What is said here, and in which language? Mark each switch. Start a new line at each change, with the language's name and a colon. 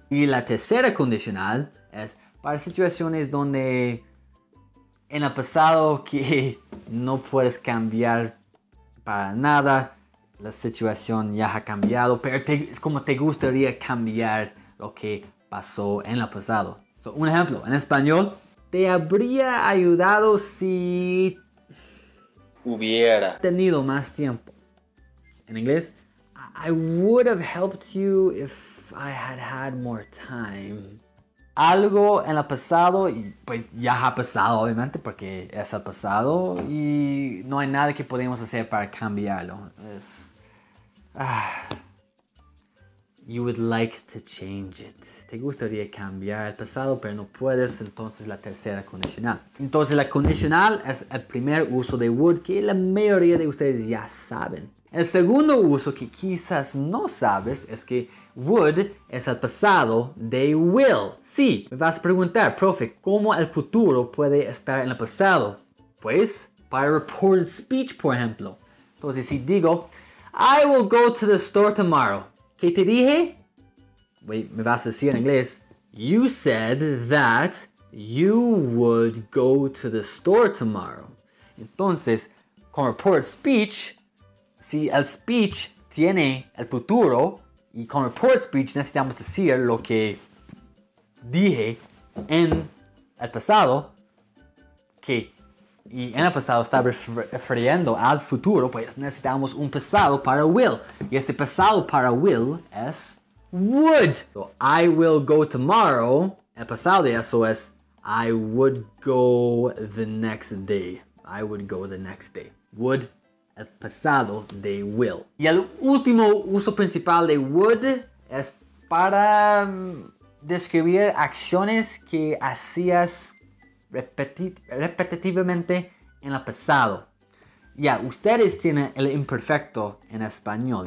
Spanish: Y la tercera condicional es para situaciones donde en el pasado que no puedes cambiar para nada, la situación ya ha cambiado, pero es como te gustaría cambiar lo que pasó en el pasado. So, un ejemplo, en español, te habría ayudado si hubiera tenido más tiempo. En inglés,
English: I would have helped you if I had more time.
Spanish: Algo en el pasado, y pues ya ha pasado, obviamente, porque es el pasado y no hay nada que podemos hacer para cambiarlo. Es.
English: You would like to change it.
Spanish: Te gustaría cambiar el pasado, pero no puedes, entonces la tercera condicional. Entonces, la condicional es el primer uso de would que la mayoría de ustedes ya saben. El segundo uso que quizás no sabes es que would es el pasado de will. Sí, me vas a preguntar, profe, ¿cómo el futuro puede estar en el pasado? Pues, para reported speech, por ejemplo. Entonces, si digo,
English: I will go to the store tomorrow.
Spanish: ¿Qué te dije?
English: Wait,
Spanish: me vas a decir en inglés,
English: you said that you would go to the store tomorrow.
Spanish: Entonces, con reported speech, si el speech tiene el futuro y con report speech necesitamos decir lo que dije en el pasado, que y en el pasado está refiriendo al futuro, pues necesitamos un pasado para will. Y este pasado para will es would.
English: So, I will go tomorrow.
Spanish: El pasado de eso es
English: I would go the next day. I would go the next day. Would.
Spanish: El pasado de will. Y el último uso principal de would es para describir acciones que hacías repetitivamente en el pasado. Yeah, ustedes tienen el imperfecto en español.